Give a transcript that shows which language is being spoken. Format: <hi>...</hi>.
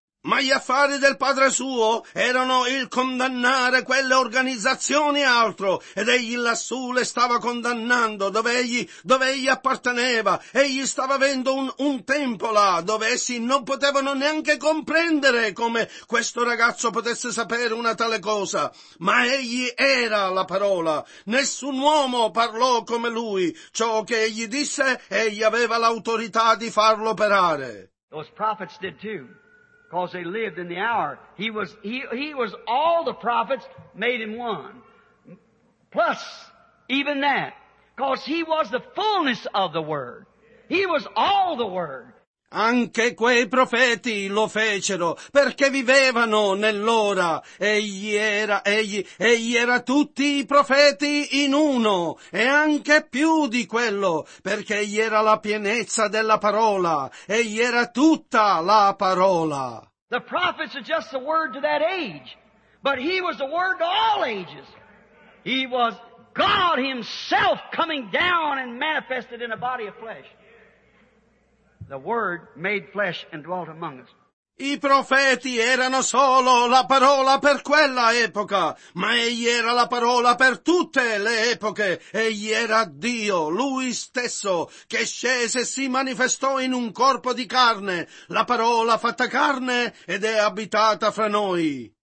<it>Ma gli affari del padre suo erano il condannare quelle organizzazioni e altro, ed egli lassù le stava condannando dove egli apparteneva. Egli stava avendo un tempo là dove essi non potevano neanche comprendere come questo ragazzo potesse sapere una tale cosa. Ma egli era la parola. Nessun uomo parlò come lui. Ciò che egli disse, egli aveva l'autorità di farlo operare.</it> <en>Those prophets did too. Because they lived in the hour. He was all the prophets made him one. Plus, even that. Because he was the fullness of the Word. He was all the Word.</en> <it>Anche quei profeti lo fecero, perché vivevano nell'ora. Egli era tutti i profeti in uno, e anche più di quello, perché egli era la pienezza della parola. Egli era tutta la parola.</it> <en>The prophets are just the word to that age. But he was the word to all ages. He was God himself coming down and manifested in a body of flesh. The Word made flesh and dwelt among us.</en> <it>I profeti erano solo la parola per quella epoca, ma egli era la parola per tutte le epoche. Egli era Dio, lui stesso, che scese e si manifestò in un corpo di carne, la parola fatta carne ed è abitata fra noi.</it>